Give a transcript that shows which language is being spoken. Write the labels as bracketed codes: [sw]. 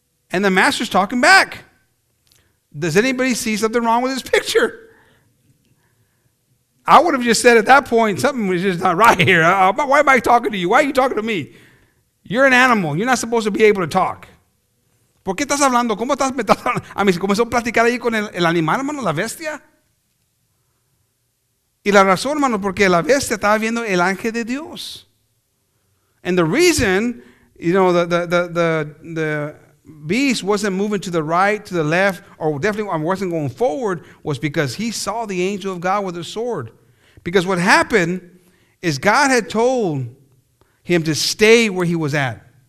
[en] And the master's talking back. Does anybody see something wrong with this picture? I would have just said at that point, something was just not right here. Why am I talking to you? Why are you talking to me? You're an animal. You're not supposed to be able to talk. [es] ¿Por qué estás hablando? ¿Cómo estás? A mí se comenzó a platicar ahí con el animal, hermano, la bestia. Y la razón, hermano, porque la bestia estaba viendo el ángel de Dios. [en] And the reason, you know, the beast wasn't moving to the right, to the left, or definitely wasn't going forward, was because he saw the angel of God with a sword. Because what happened is God had told him to stay where he was at.